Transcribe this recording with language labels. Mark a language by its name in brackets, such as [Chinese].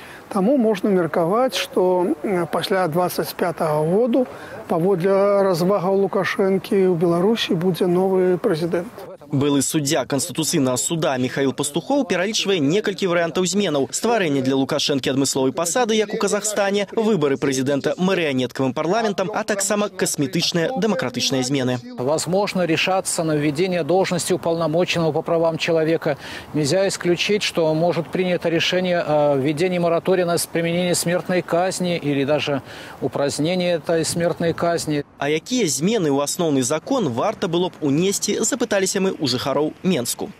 [Belarusian] Таму можна меркаваць, што пасля 25-го году, паводле развагаў Лукашэнкі, у Беларусі будзе новы прэзідэнт. Былы суддзя канстытуцыйнага суда Міхаіл Пастухоў пералічвае некалькі варыянтаў зменаў. Стварэнне для Лукашэнкі адмысловай пасады, як у Казахстане, выбары прэзідэнта марыянеткавым парламентам, а таксама касметычныя дэмакратычныя змены. [Russian] Возможно решаться на введение должности уполномоченного по правам человека. Нельзя исключить, что может принято решение о введении моратория на применение смертной казни или даже упразднение этой смертной казни. [Belarusian] А якія змены ў асноўны закон варта было б унесці, запыталіся мы у жыхароў Менску.